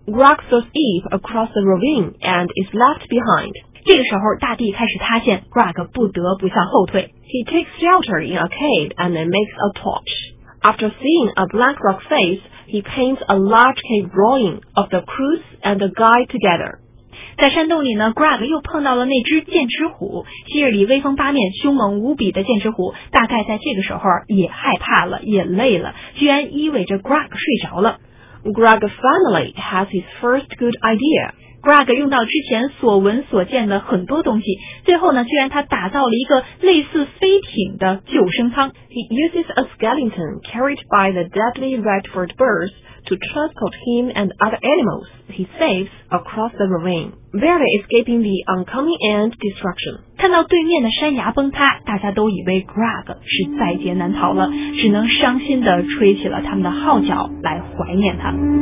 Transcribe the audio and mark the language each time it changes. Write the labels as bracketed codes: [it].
[en] Greg throws Eve across the ravine and is left behind. [zh] 这个时候，大地开始塌陷 ，Greg 不得不向后退。 [en] He takes shelter in a cave and makes a torch. After seeing a black rock face, he paints a large cave drawing of the crew and the guide together. [zh] 在山洞里呢 ，Greg 又碰到了那只剑齿虎，昔日里威风八面、凶猛无比的剑齿虎，大概在这个时候也害怕了，也累了，居然依偎着 Greg 睡着了。 [en] Greg finally has his first good idea. [zh] Greg 用到之前所闻所见的很多东西，最后呢，居然他打造了一个类似飞艇的救生舱。 [en] He uses a skeleton carried by the deadly Redford birds. To transport him and other animals he saves across the ravine, barely escaping the oncoming and destruction. [zh] 看到对面的山崖崩塌，大家都以为 Greg 是在劫难逃了，只能伤心地吹起了他们的号角来怀念他。